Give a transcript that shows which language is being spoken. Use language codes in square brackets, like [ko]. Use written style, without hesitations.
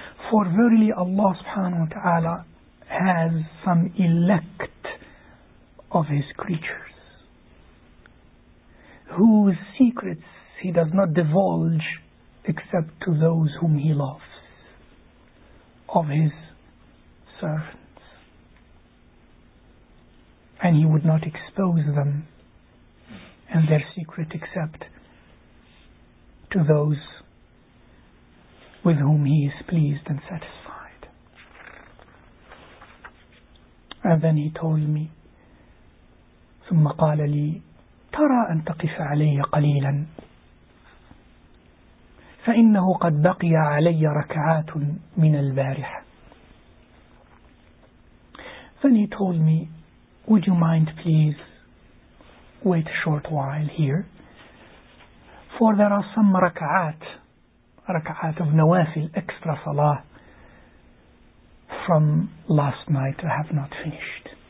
[en] For verily Allah subhanahu wa ta'ala has some elect of his creatures, whose secrets he does not divulge except to those whom he loves, of his servants. And he would not expose them and their secret except to those with whom he is pleased and satisfied. And then he told me, [ar] ثُمَّ قَالَ لِي تَرَى أَن تَقِفَ عَلَيَّ قَلِيلًا فَإِنَّهُ قَدْ بَقِيَ عَلَيَّ رَكَعَاتٌ مِنَ الْبَارِحَةِ. [en] Then he told me, would you mind please wait a short while here? For there are some rak'at of nawafil, extra salah, from last night I have not finished.